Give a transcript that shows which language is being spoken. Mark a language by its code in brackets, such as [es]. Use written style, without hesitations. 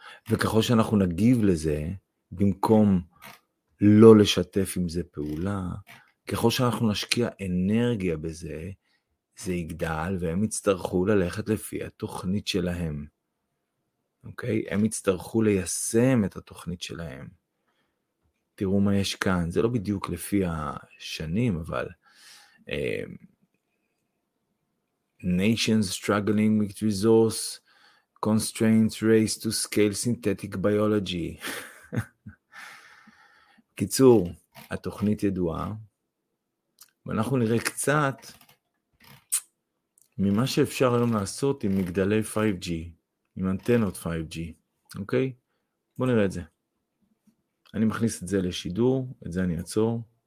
[he] וככל שאנחנו נגיב לזה, במקום לא לשתף עם זה פעולה, ככל שאנחנו נשקיע אנרגיה בזה, זה יגדל, והם יצטרכו ללכת לפי התוכנית שלהם. אוקיי? הם יצטרכו ליישם את התוכנית שלהם. תראו מה יש כאן. זה לא בדיוק לפי השנים, אבל [en] nations struggling with resource constraints race to scale synthetic biology. [he] קיצור, התוכנית ידועה, ואנחנו נראה קצת ממה שאפשר היום לעשות עם מגדלי 5G, עם אנטנות 5G. אוקיי? בוא נראה את זה. אני מכניס את זה לשידור, את זה אני אעצור.